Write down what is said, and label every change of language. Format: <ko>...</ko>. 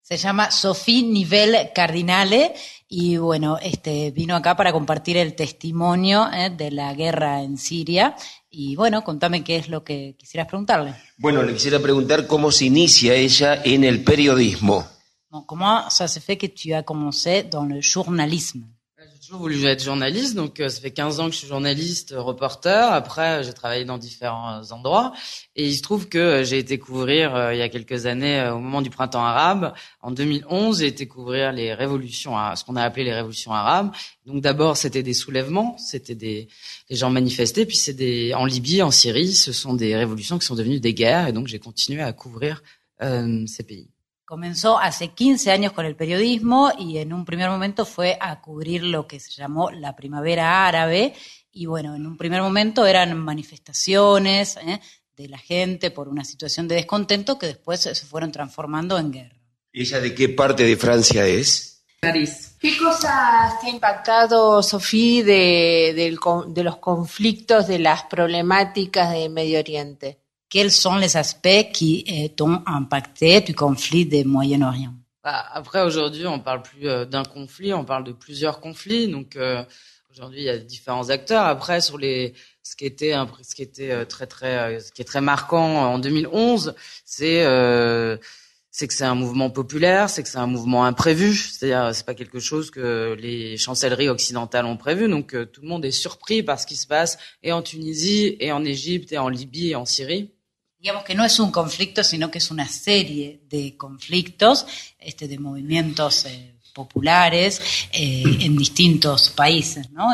<es>Se llama Sophie Nivelle Cardinale y bueno, vino acá para compartir el testimonio de la guerra en Siria. Y bueno, contame qué es lo que quisieras preguntarle. Bueno, le quisiera preguntar cómo se inicia ella en el periodismo.</es> <fr>Bon, comment ça se fait que tu as commencé dans le journalisme? J'ai toujours voulu être journaliste, donc ça fait 15 ans que je suis journaliste, reporter. Après, j'ai travaillé dans différents endroits. Et il se trouve que j'ai été couvrir, il y a quelques années, au moment du printemps arabe, en 2011, j'ai été couvrir les révolutions, ce qu'on a appelé les révolutions arabes. Donc d'abord, c'était des soulèvements, c'était des gens manifestés. Puis en Libye, en Syrie, ce sont des révolutions qui sont devenues des guerres. Et donc j'ai continué à couvrir ces pays.</fr> <es>Comenzó hace 15 años con el periodismo y en un primer momento fue a cubrir lo que se llamó la Primavera Árabe. Y bueno, en un primer momento eran manifestaciones, de la gente por una situación de descontento que después se fueron transformando en guerra. ¿Ella de qué parte de Francia es? París. ¿Qué cosas te ha impactado, Sofía, de los conflictos, de las problemáticas de Medio Oriente?</es> <fr>Quels sont les aspects qui t'ont impacté du conflit de Moyen-Orient? Après, aujourd'hui, on ne parle plus d'un conflit, on parle de plusieurs conflits. Donc, aujourd'hui, il y a différents acteurs. Après, sur ce qui était très, très, ce qui est très marquant en 2011, c'est que c'est un mouvement populaire, c'est que c'est un mouvement imprévu. C'est-à-dire, c'est pas quelque chose que les chancelleries occidentales ont prévu. Donc, tout le monde est surpris par ce qui se passe, et en Tunisie, et en Égypte, et en Libye, et en Syrie.</fr> <es>Digamos que no es un conflicto, sino que es una serie de conflictos, de movimientos populares en distintos países, ¿no?</es>